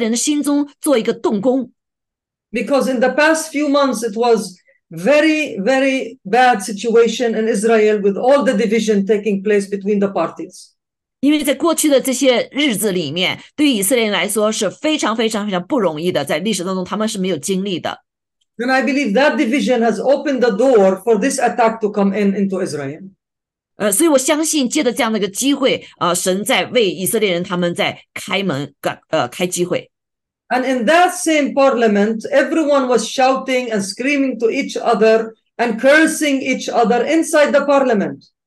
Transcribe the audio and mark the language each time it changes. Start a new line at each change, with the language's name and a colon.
Chinese: 所以我们就看见在这个背后神所做的事情，神借着所有的事情呢，来在以色列人的心中做一个动工。
English: Because in the past few months, it was very, very bad situation in Israel with all the division taking place between the parties.
Chinese: 因为在过去的这些日子里面，对以色列人来说是非常非常非常不容易的，在历史当中他们是没有经历的。
English: Then I believe that division has opened the door for this attack to come in into Israel.
Chinese: 所以我相信借着这样的一个机会，神在为以色列人他们在开门，开机会。
English: And in that same parliament, everyone was shouting and screaming to each other and cursing each other inside the parliament.